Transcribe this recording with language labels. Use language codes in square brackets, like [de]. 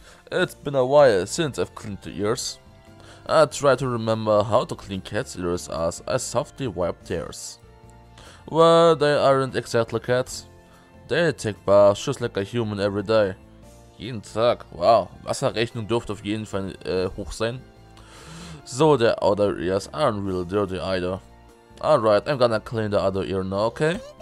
[en] It's been a while since I've cleaned the ears. I try to remember how to clean cats' ears as I softly wipe theirs. Well, they aren't exactly cats. They take baths just like a human every day. [de] Jeden Tag, wow, Wasserrechnung dürfte auf jeden Fall hoch sein. [en] So, their other ears aren't really dirty either. Alright, I'm gonna clean the other ear now, okay?